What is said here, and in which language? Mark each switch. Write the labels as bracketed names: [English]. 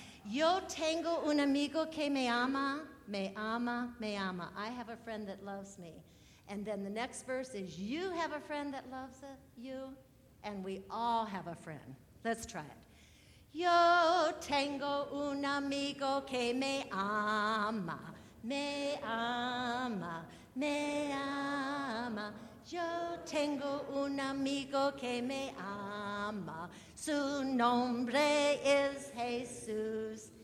[Spanish] Yo tengo un amigo que me ama, me ama, me ama. [English] I have a friend that loves me. And then the next verse is, you have a friend that loves you, and we all have a friend. Let's try it. [Spanish] Yo tengo un amigo que me ama, me ama, me ama. Yo tengo un amigo que me ama. Su nombre es Jesús.